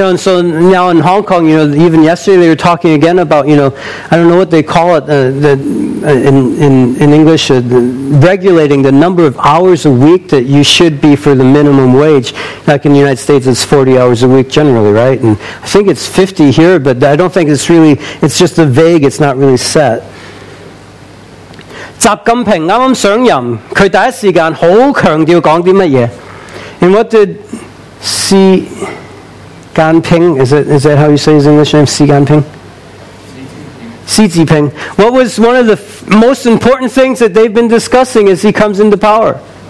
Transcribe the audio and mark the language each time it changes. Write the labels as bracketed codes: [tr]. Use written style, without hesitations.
[en] know, so now in Hong Kong, you know, even yesterday they were talking again about, you know, I don't know what they call it, in English, regulating the number of hours a week that you should be for the minimum wage. Like in the United States, it's 40 hours a week generally, right? And I think it's 50 here, but I don't think it's really, it's just a vague, it's not really set. [yue] 習近平剛剛上任，佢第一時間好強調講啲乜嘢？ [en] And what did Xi Jinping, is that how you say his English name? Xi Jinping? Xi Jinping. What was one of the most important things that they've been discussing as he comes into power?